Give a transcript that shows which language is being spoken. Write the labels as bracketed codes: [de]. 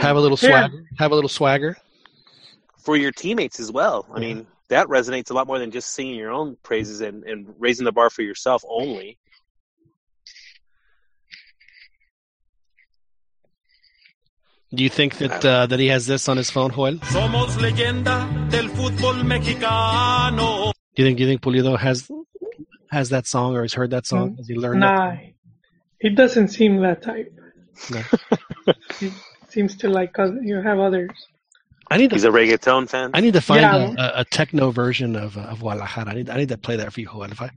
[en] have a little swagger. Yeah. Have a little swagger for your teammates as well. Mm-hmm. I mean, that resonates a lot more than just singing your own praises and raising the bar for yourself only. Do you think that that he has this on his phone, Joel? [es] Somos leyenda del fútbol mexicano. [en] Do you think Pulido has that song or has heard that song? Has he learned? Nah, he doesn't seem that type. No. Seems to like you have others. He's a reggaeton fan. I need to find a techno version of Guadalajara. I need to play that for you, Joel.